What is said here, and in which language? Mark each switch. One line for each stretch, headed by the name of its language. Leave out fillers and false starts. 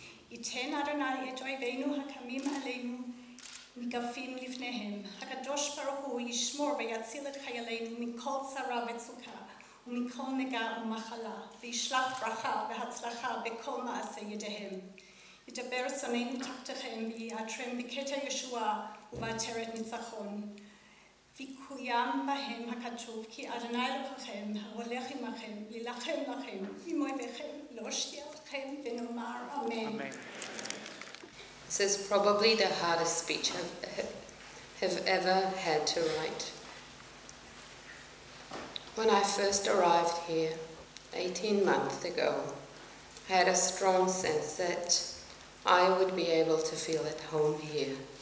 Hebrew: Iten Adonai et Oyveinu HaKamim Aleinu Migafim Lifnehem, HaKadosh Baruch Hu Yishmor Ve'yatzil et Chayaleinu Mikol Tzara Ve'tzuka, ומכל נגע ומחלה, וישלח ברכה והצלחה בכל מעשה ידיהם. ידבר שונאינו תחתיכם, ויעטרם בקטע ישועה ובעטרת ניצחון. ויקוים בהם הכתוב, כי אדוני אלוהיכם, ההולך עמכם, להילחם לכם, עם אויביכם, להושיע אתכם, ונאמר אמן.
English: This is probably the hardest speech I've ever had to write. When I first arrived here, 18 months ago, I had a strong sense that I would be able to feel at home here.